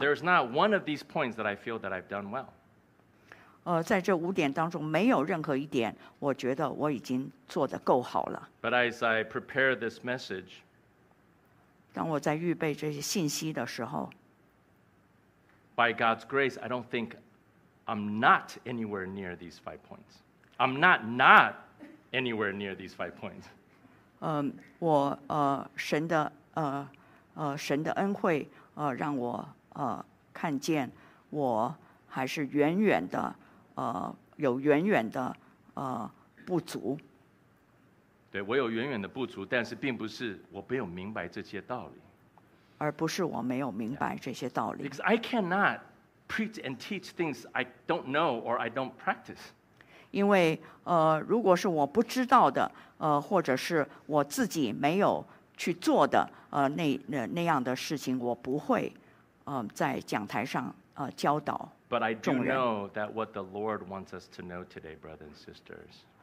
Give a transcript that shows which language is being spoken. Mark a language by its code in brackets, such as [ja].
[en] There is not one of these points that I feel that I've done well. [zh] 在这五点当中，没有任何一点我觉得我已经做得够好了。 [en] But as I prepare this message, [zh] 当我在预备这些信息的时候。 [en] By God's grace, I don't think I'm not anywhere near these five points. I'm not anywhere near these five points. [zh] 我神的神的恩惠让我看见我还是远远的有远远的不足。对，我有远远的不足，但是并不是我没有明白这些道理。而不是我没有明白这些道理。 [en] Because I cannot preach and teach things I don't know or I don't practice. [zh] 因为如果是我不知道的或者是我自己没有去做的那样的事情我不会在讲台上教导众人。 [en] But I do know that what the Lord wants us to know today, brothers and sisters.